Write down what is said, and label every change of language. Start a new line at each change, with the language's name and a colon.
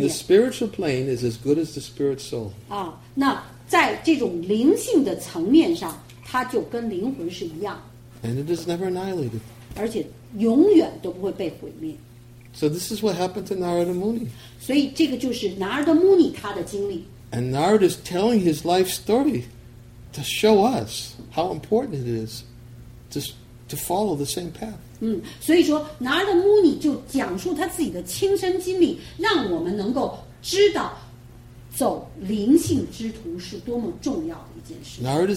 English: the spiritual plane is as good as the spirit soul.
Chinese: 那在这种灵性的层面上，它就跟灵魂是一样。
English: And it is never annihilated.
Chinese: 而且永远都不会被毁灭。
English: So this is what happened to Narada Muni.
Chinese: 所以这个就是Narada Muni他的经历。
English: And Narada is telling his life story to show us how important it is to follow the same path.
Chinese: 所以说，Narada Muni就讲述他自己的亲身经历，让我们能够知道走灵性之途是多么重要的一件事。Narada